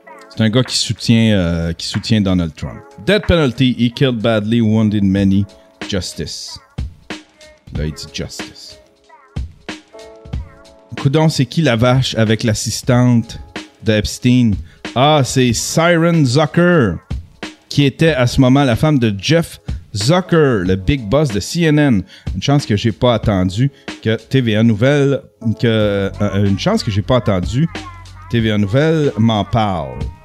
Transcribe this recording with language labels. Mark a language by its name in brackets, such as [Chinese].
[French] C'est un gars qui soutient Donald Trump. [English] Death penalty, he killed badly, wounded many, justice. [French] Là, il dit justice. Coudon, c'est qui la vache avec l'assistante d'Epstein? Ah, c'est Siren Zucker, qui était à ce moment la femme de Jeff Zucker, le big boss de CNN. Une chance que j'ai pas attendu que TVA Nouvelle... une chance que j'ai pas attendu TVA Nouvelle m'en parle.